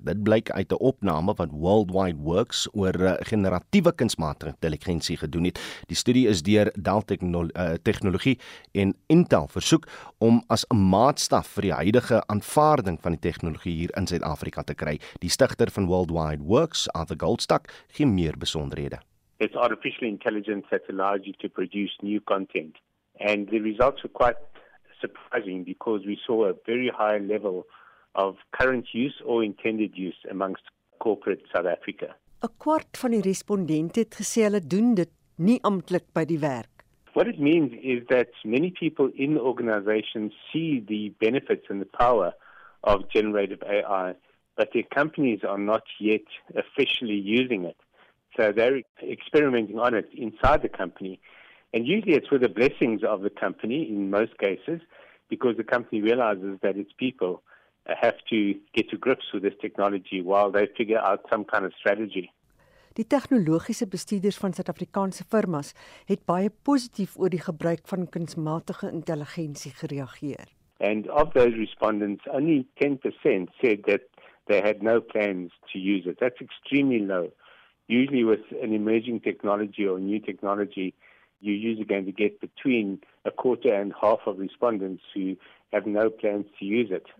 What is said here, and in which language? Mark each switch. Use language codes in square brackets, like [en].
[af] Dit blyk uit 'n opname wat Worldwide Works oor generatiewe kunsmatige intelligensie gedoen het. Die studie is deur Dell Technologie en Intel versoek om as 'n maatstaf vir die huidige aanvaarding van die tegnologie hier in Suid-Afrika te kry. Die stigter van Worldwide Works, Arthur Goldstuck, gee meer besonderhede. [en] It's artificial intelligence that allows you to produce new content. And the results are quite surprising because we saw a very high level of current use or intended use amongst corporate South Africa. [af] 'N kwart van die respondente het gesê hulle doen dit nie amptelik by die werk. [en] What it means is that many people in organizations see the benefits and the power of generative AI, but their companies are not yet officially using it. So they're experimenting on it inside the company. And usually it's with the blessings of the company in most cases, because the company realizes that its people have to get to grips with this technology while they figure out some kind of strategy. [af] Die tegnologiese bestuurders van Suid-Afrikaanse firmas het baie positief oor die gebruik van kunsmatige intelligensie gereageer. [en] And of those respondents, only 10% said that they had no plans to use it. That's extremely low. Usually with an emerging technology or new technology, you usually going to get between a quarter and half of respondents who have no plans to use it.